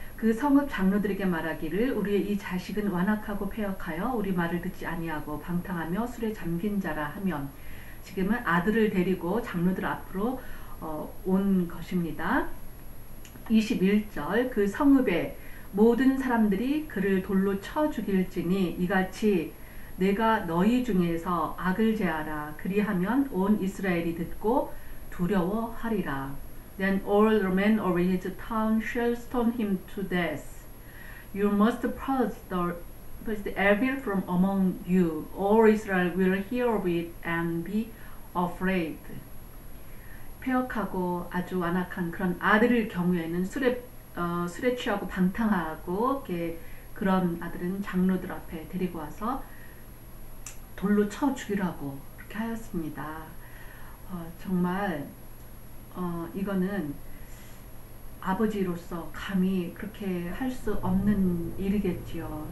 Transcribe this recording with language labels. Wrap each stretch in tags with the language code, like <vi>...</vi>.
<ko>그 성읍 장로들에게 말하기를 우리의 이 자식은 완악하고 패역하여 우리 말을 듣지 아니하고 방탕하며 술에 잠긴 자라 하면 지금은 아들을 데리고 장로들 앞으로 온 것입니다. 21절 그 성읍에 모든 사람들이 그를 돌로 쳐 죽일지니 이같이 내가 너희 중에서 악을 제하라 그리하면 온 이스라엘이 듣고 두려워하리라.</ko> <en>Then all the men of his town shall stone him to death. You must purge the evil from among you. All Israel will hear of it and be afraid.</en> <ko>패역하고 아주 완악한 그런 아들일 경우에는 술에 취하고 방탕하고 이렇게 그런 아들은 장로들 앞에 데리고 와서 돌로 쳐 죽이라고 그렇게 하였습니다. 정말 이거는 아버지로서 감히 그렇게 할 수 없는 일이겠지요.</ko>